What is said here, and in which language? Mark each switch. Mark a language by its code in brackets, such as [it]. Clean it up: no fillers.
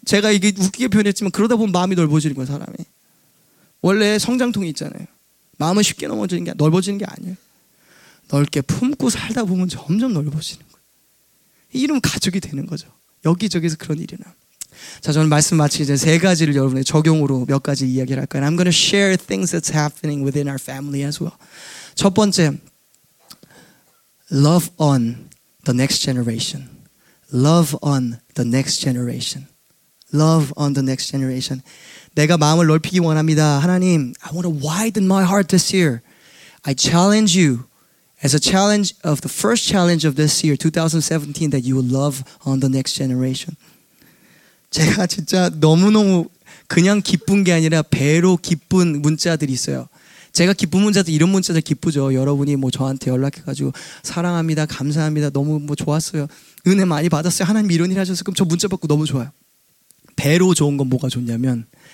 [ko] 제가 이게 웃기게 표현했지만, 그러다 보면 마음이 넓어지는 거예요, 사람이. 원래 성장통이 있잖아요. 마음은 쉽게 넘어지는 게, 넓어지는 게 아니에요. 넓게 품고 살다 보면 점점 넓어지는 거예요. 이러면 가족이 되는 거죠. 여기저기서 그런 일이 나. 자, 저는 말씀 마치기 전에 세 가지를 여러분의 적용으로 몇 가지 이야기를 할까요? [en] I'm going to share things that's happening within our family as well. [ko] 첫 번째, [en] love on. The next generation. Love on the next generation. Love on the next generation. [ko] 내가 마음을 넓히기 원합니다. [en] 하나님, I want to widen my heart this year. I challenge you as a challenge of the first challenge of this year, 2017, that you will love on the next generation. [ko] 제가 진짜 너무너무 그냥 기쁜 게 아니라 배로 기쁜 문자들이 있어요. 제가 기쁜 문자들 이런 문자들 기쁘죠. 여러분이 뭐 저한테 연락해가지고 사랑합니다, 감사합니다, 너무 뭐 좋았어요, 은혜 많이 받았어요, 하나님 이런 일 하셨어요. 그럼 저 문자 받고 너무 좋아요. 배로 좋은 건 뭐가 좋냐면